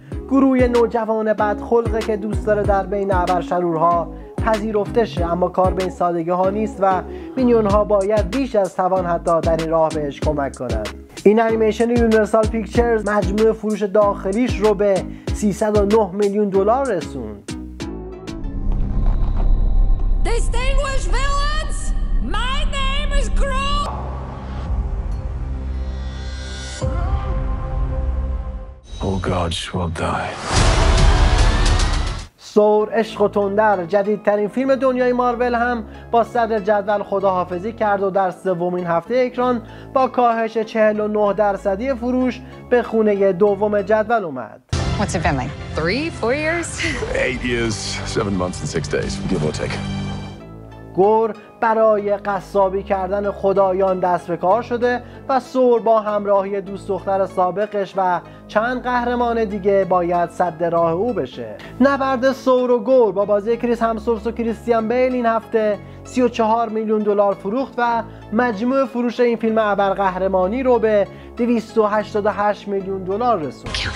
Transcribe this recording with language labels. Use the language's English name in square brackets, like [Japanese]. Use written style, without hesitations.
[Persian] گروه نوجوان بدخلقه که دوست داره در بین ابر شرورها پذیرفته شه، اما کار به این سادگی ها نیست و مینیون ها باید بیش از توان حتی در این راه بهش کمک کنند. این انیمیشن یونیورسال پیکچرز مجموع فروش داخلیش رو به 309 میلیون دلار رسوند. [English] Distinguished villains, my name is Gru. All gods will die. [Persian] سور عشق و تندر جدیدترین فیلم دنیای مارول هم با صدر جدول خداحافظی کرد و در سومین هفته اکران با کاهش 49 درصدی فروش به خونه دوم جدول اومد. [English] What's it been like? 3-4 years? 8 years, 7 months and 6 days, give or take. [Persian] گور برای قصابی کردن خدایان دست به کار شده و سور با همراهی دوست دختر سابقش و چند قهرمان دیگه باید سد راه او بشه. نبرد سور و گور با بازی کریس همسورس و کریستیان بیل این هفته 34 میلیون دلار فروخت و مجموع فروش این فیلم ابرقهرمانی رو به 288 میلیون دلار رسوند.